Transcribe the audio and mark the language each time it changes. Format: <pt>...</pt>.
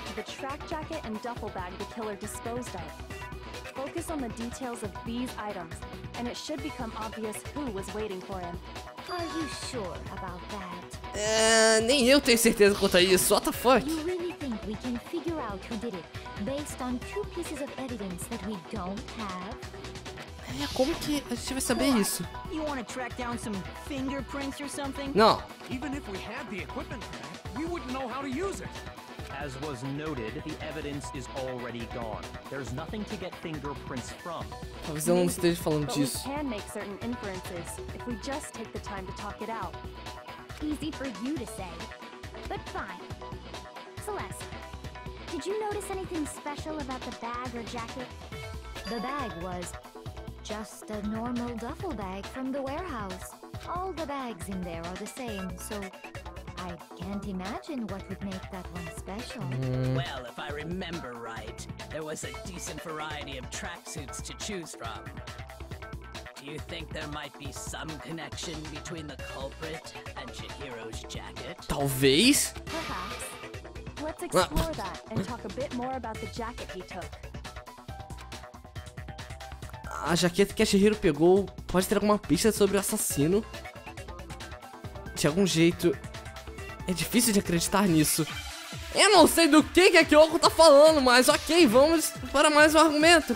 <en>The track jacket and duffel bag the killer disposed of. Focus on the details of these items, and it should become obvious who was waiting for him. Are you sure about that?</en> <pt>Nem eu tenho certeza quanto a isso.</pt> <en>What the fuck? You really think we can figure out who did it based on two pieces of evidence that we don't have?</en> <pt>É, como que a gente vai saber isso?</pt> <en>You want to track down some fingerprints or something?</en> <pt>Não.</pt> <en>Even if we had the equipment for that, we wouldn't know how to use it. As was noted, the evidence is already gone. There's nothing to get fingerprints from.</en> <pt>Talvez ela não esteja falando disso.</pt> <en>But we can make certain inferences if we just take the time to talk it out. Easy for you to say, but fine. Celeste, did you notice anything special about the bag or jacket? The bag was just a normal duffel bag from the warehouse. All the bags in there are the same, so I can't imagine what would make that one special. Well, if I remember right, there was a decent variety of tracksuits to choose from. Do you think there might be some connection between the culprit and Chihiro's jacket?</en> <pt>Talvez?</pt> <en>Perhaps. Let's explore that and talk a bit more about the jacket he took.</en> <pt>A jaqueta que a Chihiro pegou pode ter alguma pista sobre o assassino. De algum jeito. É difícil de acreditar nisso. Eu não sei do que a Kyoko tá falando, mas ok, vamos para mais um argumento.</pt>